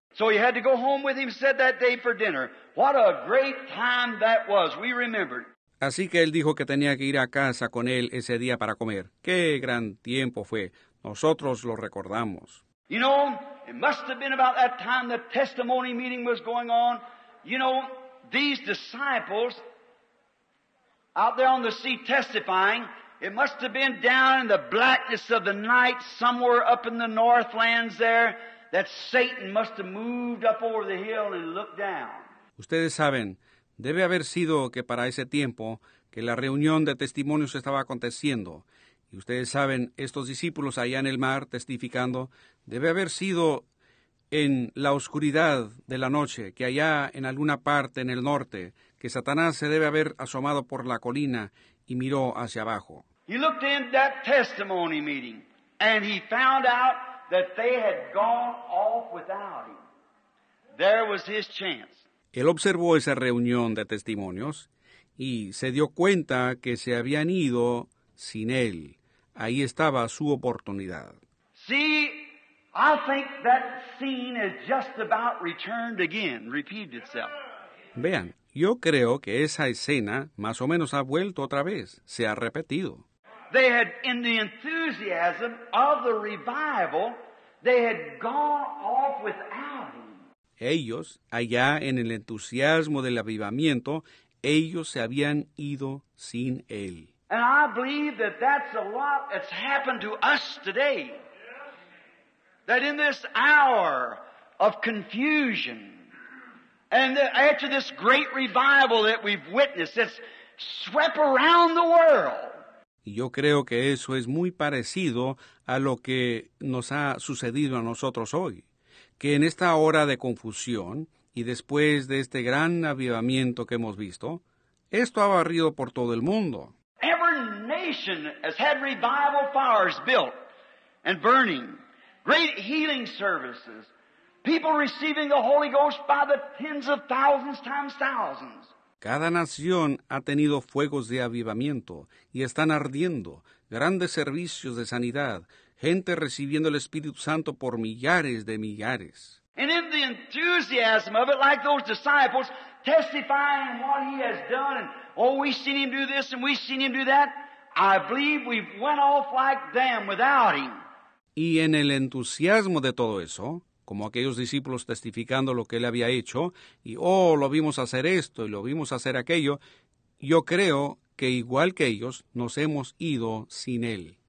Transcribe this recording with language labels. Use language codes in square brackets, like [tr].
[en] So you had to go home with him, said that day for dinner. What a great time that was. We remembered. [es] Así que él dijo que tenía que ir a casa con él ese día para comer. ¡Qué gran tiempo fue! Nosotros lo recordamos. [en] You know, it must have been about that time the testimony meeting was going on. You know, these disciples out there on the sea testifying, it must have been down in the blackness of the night somewhere up in the northlands there that Satan must have moved up over the hill and looked down. [es] Ustedes saben, debe haber sido que para ese tiempo que la reunión de testimonios estaba aconteciendo. Y ustedes saben, estos discípulos allá en el mar testificando, debe haber sido en la oscuridad de la noche que allá en alguna parte en el norte que Satanás se debe haber asomado por la colina y miró hacia abajo. [en] He looked in that testimony meeting and he found out that they had gone off without him. There was his chance. [es] Él observó esa reunión de testimonios y se dio cuenta que se habían ido sin él. Ahí estaba su oportunidad. [en] See, I think that scene is just about returned again, repeated itself. [es] Vean, yo creo que esa escena más o menos ha vuelto otra vez, se ha repetido. [en] They had, in the enthusiasm of the revival, they had gone off without him. [es] Ellos, allá en el entusiasmo del avivamiento, ellos se habían ido sin él. [en] And I believe that that's a lot that's happened to us today. That in this hour of confusion, and after this great revival that we've witnessed, it's swept around the world. [es] Yo creo que eso es muy parecido a lo que nos ha sucedido a nosotros hoy. Que en esta hora de confusión, y después de este gran avivamiento que hemos visto, esto ha barrido por todo el mundo. [en] Every nation has had revival fires built and burning. Great healing services. People receiving the Holy Ghost by the tens of thousands times thousands. [es] Cada nación ha tenido fuegos de avivamiento y están ardiendo. Grandes servicios de sanidad. Gente recibiendo el Espíritu Santo por millares de millares. [en] And in the enthusiasm of it, like those disciples testifying what he has done, and oh, we've seen him do this and we've seen him do that, I believe we went off like them without him. [es] Y en el entusiasmo de todo eso, como aquellos discípulos testificando lo que él había hecho, y oh, lo vimos hacer esto y lo vimos hacer aquello, yo creo que igual que ellos, nos hemos ido sin él.